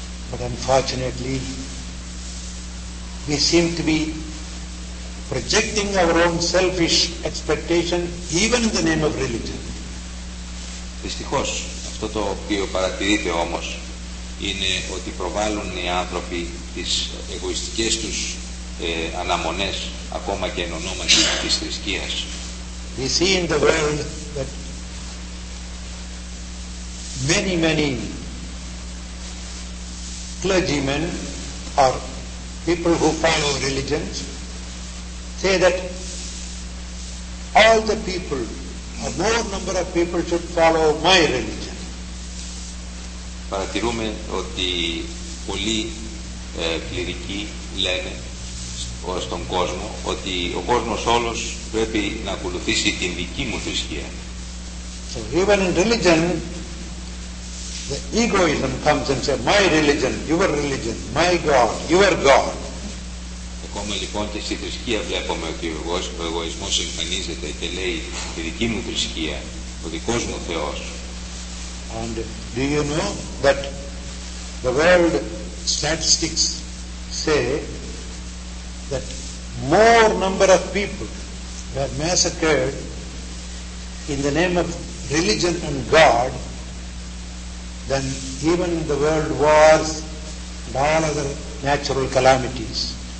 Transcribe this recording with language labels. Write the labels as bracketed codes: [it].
[en] But unfortunately, we seem to be projecting our own selfish expectation even in the name of religion. [el] Δυστυχώς, αυτό το οποίο παρατηρείται όμως είναι ότι προβάλλουν οι άνθρωποι τις εγωιστικές τους αναμονές ακόμα και εν ονόματι της θρησκείας. [en] We see in the world that many, many clergymen are people who follow religions say that all the people, a more number of people should follow my religion. [el] Παρατηρούμε ότι πολλοί κληρικοί λένε στον κόσμο ότι ο κόσμος όλος πρέπει να ακολουθήσει την δική μου θρησκεία. [en] So even in religion, the egoism comes and says, my religion, my God, your God. [el] Ακόμα λοιπόν και στη θρησκεία βλέπουμε ότι ο εγωισμός εμφανίζεται και λέει η δική μου θρησκεία, ο δικός μου Θεός. [en] And do you know that the world statistics say that more number of people were massacred in the name of religion and God than even in the world wars and all other natural calamities.